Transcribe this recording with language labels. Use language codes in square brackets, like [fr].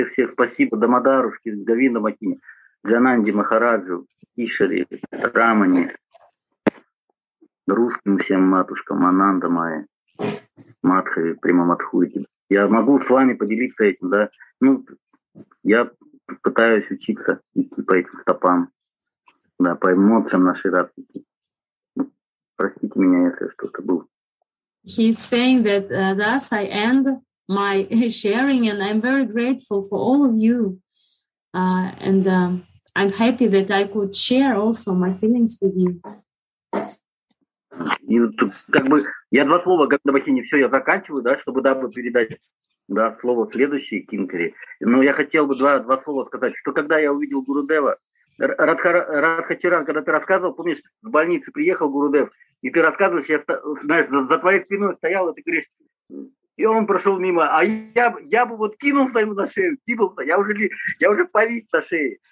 [ru] Спасибо, Дамодарушки, Говинда Махини, Джананди Махараджу, Ишари, Рамани, русским всем матушкам, Ананда Майя, Матхави, Прима Матхуити. Я могу с вами поделиться этим, да? Ну, я пытаюсь учиться идти по этим стопам, да, по эмоциям нашей Радхики. Простите меня, если что-то было. [en] He's saying that thus I end my sharing, and I'm very grateful for all of you. And I'm happy that I could share also my feelings with you. [ru] И тут как бы я два слова, как на бахине, все, я заканчиваю, да, чтобы дабы передать, да, слово следующей Кинкари. Но я хотел бы два слова сказать, что когда я увидел Гурудева, Радхачаран, когда ты рассказывал, помнишь, в больнице приехал Гурудев, и ты рассказываешь, я, знаешь, за твоей спиной стоял, и ты говоришь, и он прошел мимо, а я бы вот кинулся ему на шею, кинулся, я уже повис на шее.